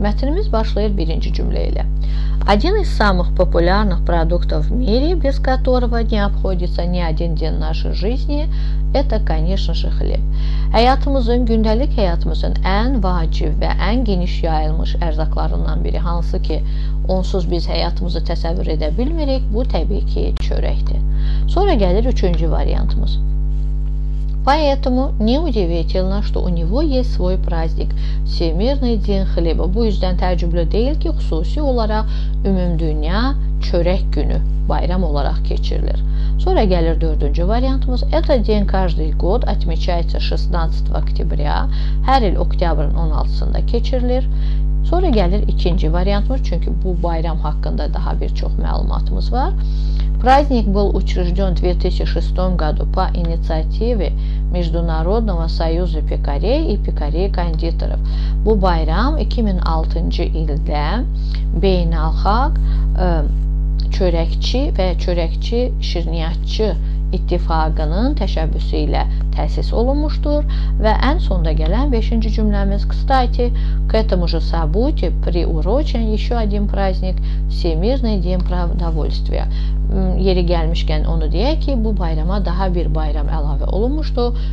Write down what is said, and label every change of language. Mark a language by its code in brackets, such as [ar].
[az] Мәтініміз башлайыр birinci cümle ilə. [ru] Один из самых популярных продуктов в мире, без которого не обходится ни один день нашей жизни, это, конечно же, хлеб. [az] Hayatımızın, gündəlik hayatımızın ən vacib və ən geniş yayılmış ərzaqlarından biri, hansı ki, onsuz biz hayatımızı təsəvvür edə bilmirik, bu təbii ki, çörəkdir. Sonra gəlir üçüncü variantımız. [ru] Поэтому неудивительно, что у него есть свой праздник – Всемирный день хлеба. [az] Bu yüzden tərcümlü deyil ki, xüsusi olaraq Ümumdünya Çörək Günü bayram olaraq keçirilir. Sonra gəlir dördüncü variantımız. [ru] Это день каждый год отмечается 16 октября. [az] Hər il oktyabrın 16-sında keçirilir. Sonra gəlir ikinci variantımız. Çünki bu bayram haqqında daha bir çox məlumatımız var. [ru] Праздник был учрежден в 2006 году по инициативе Международного союза пекарей и пекарей-кондиторов. [az] Bu bayram 2006-cı ildə Beynəlxalq Çörəkçi və Çörəkçi Şirniyyatçı İttifaqının təşəbbüsü ilə təsis olunmuşdur. Və ən sonda gələn 5-ci cümləmiz, [ru] кстати, к этому же событию приурочен еще один праздник Всемирный день продовольствия. [az] Yeri gəlmişkən onu deyək ki, bu bayrama daha bir bayram əlavə olunmuşdur.